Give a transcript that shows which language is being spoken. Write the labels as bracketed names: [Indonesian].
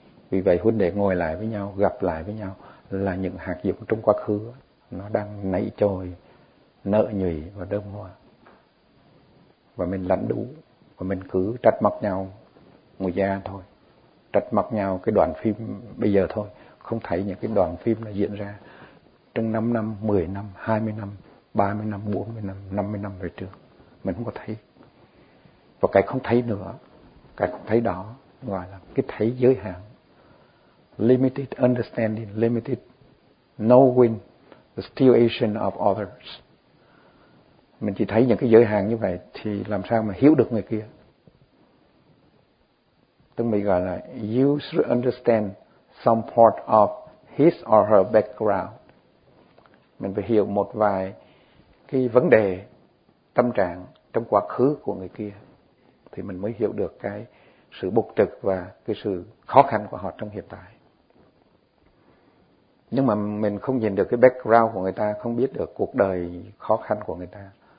[Vietnamese] Vì vậy huynh đệ ngồi lại với nhau, gặp lại với nhau là những hạt giống trong quá khứ nó đang nảy trồi, nợ nhụy và đơm hoa, và mình lãnh đủ, và mình cứ trách móc nhau người già thôi, trách móc nhau cái đoạn phim bây giờ thôi, không thấy những cái đoạn phim nó diễn ra trong 5 năm, 10 năm, 20 năm, 30 năm, 40 năm, 50 năm về trước. Mình không có thấy. Và cái không thấy nữa, cái không thấy đó gọi là cái thấy giới hạn. [English] Limited understanding, limited knowing the situation of others. [Vietnamese] Mình chỉ thấy những cái giới hạn như vậy thì làm sao mà hiểu được người kia. Tức mình gọi là [English] you should understand some part of his or her background. [Vietnamese] Mình phải hiểu một vài cái vấn đề tâm trạng trong quá khứ của người kia thì mình mới hiểu được cái sự bục trực và cái sự khó khăn của họ trong hiện tại. Nhưng mà mình không nhìn được cái background của người ta, không biết được cuộc đời khó khăn của người ta.